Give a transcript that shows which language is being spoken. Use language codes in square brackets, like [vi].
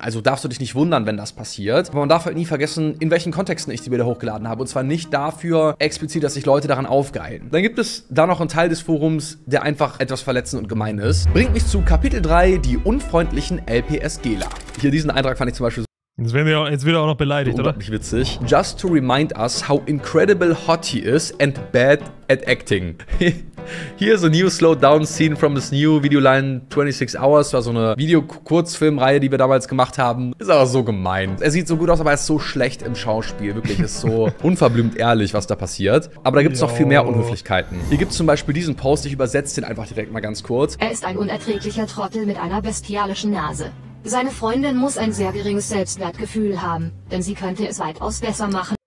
[de] Also darfst du dich nicht wundern, wenn das passiert. Aber man darf halt nie vergessen, in welchen Kontexten ich die Bilder hochgeladen habe. Und zwar nicht dafür explizit, dass sich Leute daran aufgeilen. Dann gibt es da noch einen Teil des Forums, der einfach etwas verletzend und gemein ist. Bringt mich zu Kapitel 3, die unfreundlichen LPS-Geler. Hier, diesen Eintrag fand ich zum Beispiel so. Jetzt wird er auch noch beleidigt, oder? Unglaublich witzig. [en] Just to remind us how incredible hot he is and bad at acting. Here's a new slowed down scene from this new video line 26 hours. [de] War so eine Video-Kurzfilmreihe, die wir damals gemacht haben. Ist aber so gemein. Er sieht so gut aus, aber er ist so schlecht im Schauspiel. Wirklich, ist so unverblümt ehrlich, was da passiert. Aber da gibt es noch viel mehr Unhöflichkeiten. Hier gibt es zum Beispiel diesen Post, ich übersetze den einfach direkt mal ganz kurz. Er ist ein unerträglicher Trottel mit einer bestialischen Nase. Seine Freundin muss ein sehr geringes Selbstwertgefühl haben, denn sie könnte es weitaus besser machen.